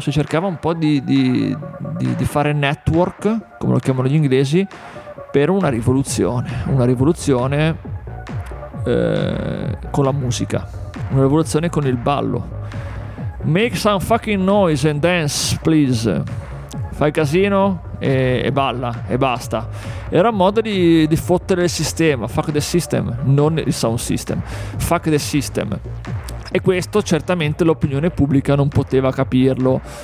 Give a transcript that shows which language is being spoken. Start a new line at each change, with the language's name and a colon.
Italian: Si cercava un po' di fare network, come lo chiamano gli inglesi, per una rivoluzione con la musica, una rivoluzione con il ballo.
English: make some fucking noise and dance, please.
Italian: Fai casino e balla e basta. Era un modo di fottere il sistema.
English: Fuck the system,
Italian: non il
English: sound system. Fuck the system.
Italian: E questo certamente l'opinione pubblica non poteva capirlo.